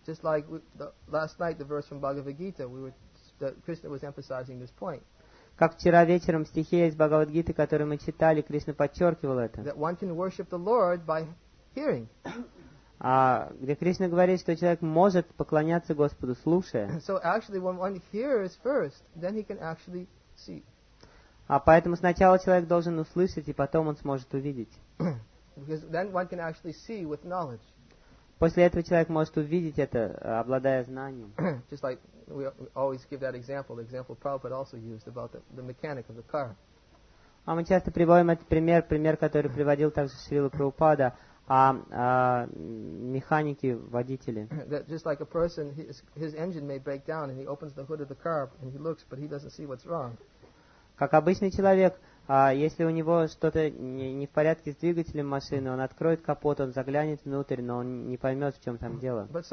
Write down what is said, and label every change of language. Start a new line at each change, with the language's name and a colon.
English: just like last night, the verse from Bhagavad Gita, Krishna was emphasizing this point.
Russian: Как вчера вечером в стихе из Бхагавад-гиты, который мы читали, Кришна подчеркивал это.
English: That one can worship the Lord by hearing.
Russian: Где Кришна говорит, что человек может поклоняться Господу, слушая.
English: So actually, when one hears first, then he can actually see.
Russian: Поэтому сначала человек должен услышать, и потом он сможет увидеть.
English: Because then one can actually see with knowledge.
Russian: После этого человек может увидеть это, обладая знанием.
English: Just like we always give that example Prabhupada also used about the mechanic of the car.
Russian: А мы часто приводим этот пример, который приводил также Шрила Прабхупада, о механике водителя.
English: That just like a person, his engine may break down and he opens the hood of the car and he looks, but he doesn't see what's wrong.
Russian: Как обычный человек. Если у него что-то не в порядке с двигателем машины, он откроет капот, он заглянет внутрь, но он не поймет, в чем там дело.